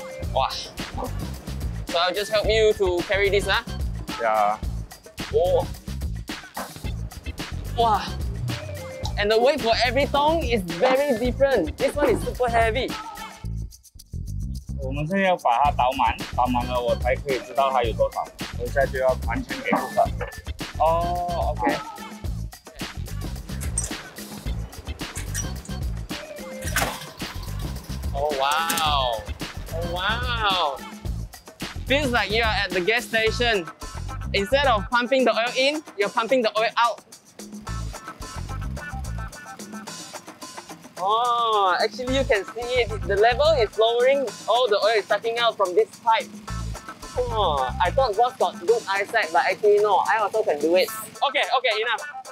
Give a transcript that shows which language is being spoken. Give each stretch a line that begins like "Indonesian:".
English: Wow. So I'll just help you to carry this, huh? Yeah. Oh. Wow. And the weight for every tong is very different. This one is super heavy.
Chinese: 我们现在要把它倒满，倒满了我才可以知道它有多少。我现在就要完全给顾客。哦，OK。哦，哇哦，哇哦
English: ，feels like you are at the gas station. Instead of pumping the oil in, you're pumping the oil out. Oh, actually you can see it. The level is lowering. All the oil is sucking out from this pipe. Oh, I thought Ross got good eyesight, but actually no, I also can do it. Okay, okay, enough.